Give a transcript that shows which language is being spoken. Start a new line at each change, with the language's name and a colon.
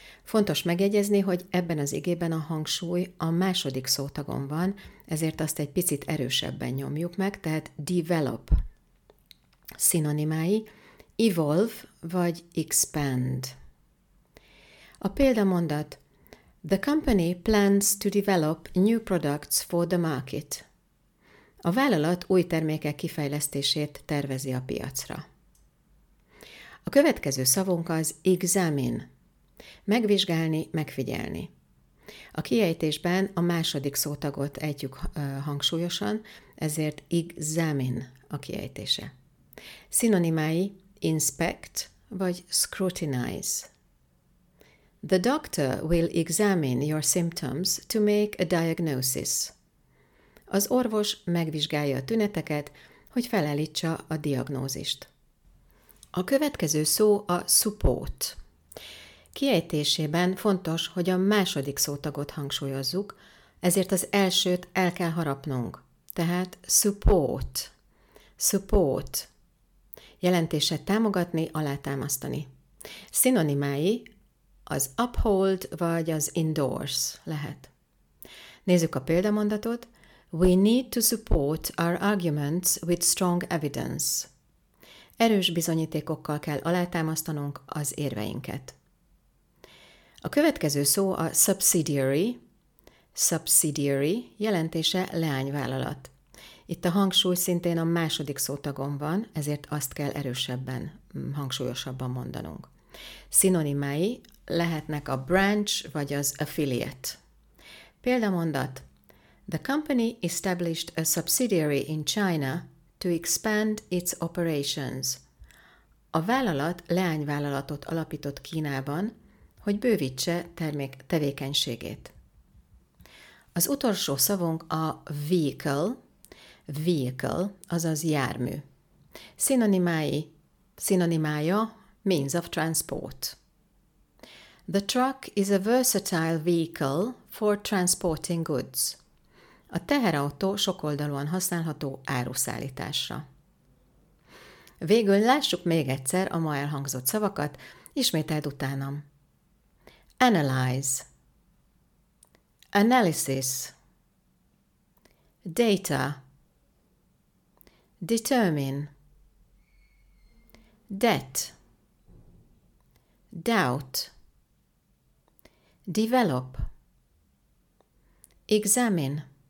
Hungarian: Fontos megjegyezni, hogy ebben az igében a hangsúly a második szótagon van, ezért azt egy picit erősebben nyomjuk meg, tehát develop. Szinonimái evolve vagy expand. A példamondat
English: The company plans to develop new products for the market.
Hungarian: A vállalat új termékek kifejlesztését tervezi a piacra. A következő szavunk az examine. Megvizsgálni, megfigyelni. A kiejtésben a második szótagot ejtjük hangsúlyosan, ezért examine a kiejtése. Szinonimái inspect vagy scrutinize.
English: The doctor will examine your symptoms to make a diagnosis.
Hungarian: Az orvos megvizsgálja a tüneteket, hogy felállítsa a diagnózist. A következő szó a support. Kiejtésében fontos, hogy a második szótagot hangsúlyozzuk, ezért az elsőt el kell harapnunk.
English: Tehát support. Support.
Hungarian: Jelentése támogatni, alátámasztani. Szinonimái az uphold vagy az endorse lehet. Nézzük a példamondatot.
English: We need to support our arguments with strong evidence.
Hungarian: Erős bizonyítékokkal kell alátámasztanunk az érveinket. A következő szó a subsidiary. Subsidiary jelentése leányvállalat. Itt a hangsúly szintén a második szótagon van, ezért azt kell erősebben, hangsúlyosabban mondanunk. Szinonimái lehetnek a branch vagy az affiliate. Példamondat.
English: The company established a subsidiary in China to expand its operations.
Hungarian: A vállalat leányvállalatot alapított Kínában, hogy bővítse termék tevékenységét. Az utolsó szavunk a vehicle. Vehicle, azaz jármű. Szinonimája means of transport.
English: The truck is a versatile vehicle for transporting goods.
Hungarian: A teherautó sokoldalúan használható áruszállításra. Végül lássuk még egyszer a ma elhangzott szavakat, ismételd utánam.
English: Analyze. Analysis. Data. Determine. Debt. Doubt. Develop. Examine.